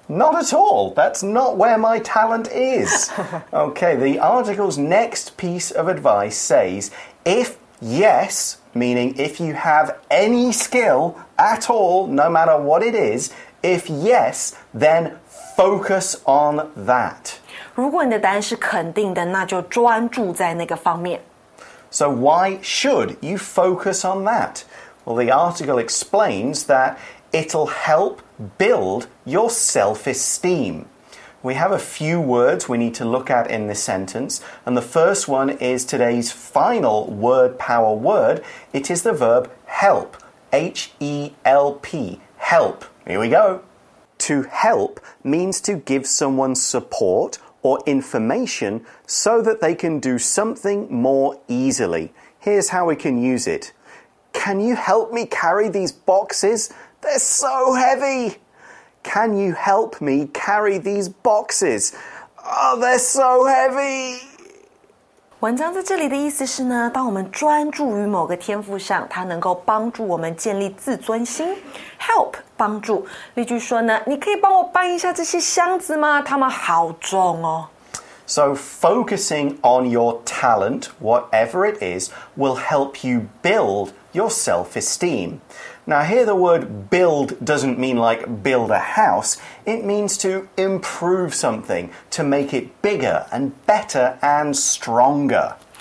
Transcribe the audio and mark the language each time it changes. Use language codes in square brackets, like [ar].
[en] Not at all. That's not where my talent is. Okay, the article's next piece of advice says, if... Yes, meaning if you have any skill at all, no matter what it is, if yes, then focus on that. [zh] 如果你的答案是肯定的，那就专注在那个方面。 [en] So why should you focus on that? Well, the article explains that it'll help build your self-esteem. We have a few words we need to look at in this sentence, and the first one is today's final word power word. It is the verb help, H-E-L-P, help. Here we go. To help means to give someone support or information so that they can do something more easily. Here's how we can use it. Can you help me carry these boxes? They're so heavy! Can you help me carry these boxes? Oh, they're so heavy! [zh] 文章在这里的意思是呢，当我们专注于某个天赋上，它能够帮助我们建立自尊心。 Help, 帮助。例句说呢，你可以帮我搬一下这些箱子吗？它们好重哦。 [en] So focusing on your talent, whatever it is, will help you build your self-esteem. Now here the word build doesn't mean like build a house. It means to improve something, to make it bigger and better and stronger.